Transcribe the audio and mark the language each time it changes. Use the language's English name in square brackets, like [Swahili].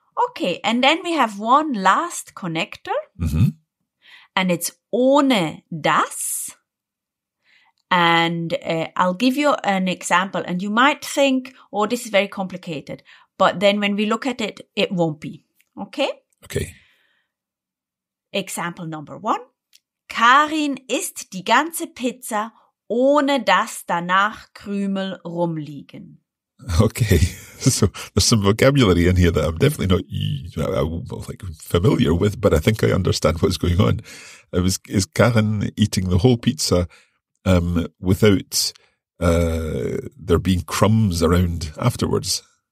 [English] Okay, and then we have one last connector. Mm-hmm. And it's ohne das. And I'll give you an example. And you might think, oh, this is very complicated. But then when we look at it, it won't be. Okay? Okay. Example number one. [German] Karin isst die ganze Pizza, ohne dass danach Krümel rumliegen. [English] Okay, so there's some vocabulary in here that I'm definitely not like familiar with, but I think I understand what's going on. Is Karin eating the whole pizza without there being crumbs around afterwards?